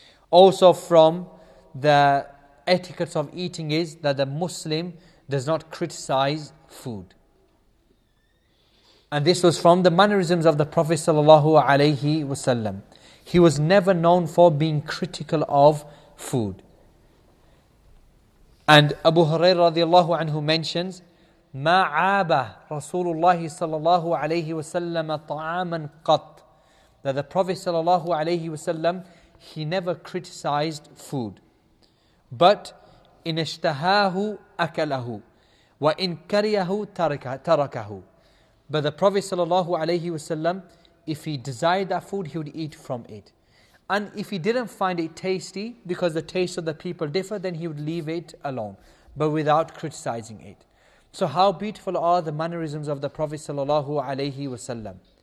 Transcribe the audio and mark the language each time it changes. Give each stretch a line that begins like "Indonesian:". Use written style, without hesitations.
English: Also from the etiquette of eating is that the Muslim does not criticize food. And this was from the mannerisms of the Prophet sallallahu alayhi wasallam. He was never known for being critical of food. And Abu Hurairah radiallahu anhu mentions,
Arabic: مَا عَابَ رَسُولُ اللَّهِ صَلَى اللَّهُ عَلَيْهِ وَسَلَّمَ طَعَامًا قَطْ.
English: That the Prophet sallallahu alayhi wasallam, he never criticized food. But in
Arabic: اشْتَهَاهُ أَكَلَهُ وَإِنْ كَرِيَهُ تَرَكَهُ.
English: But the Prophet sallallahu alayhi wasallam, if he desired that food, he would eat from it. And if he didn't find it tasty, because the taste of the people differ, then he would leave it alone, but without criticizing it. So how beautiful are the mannerisms of the Prophet sallallahu alaihi wasallam.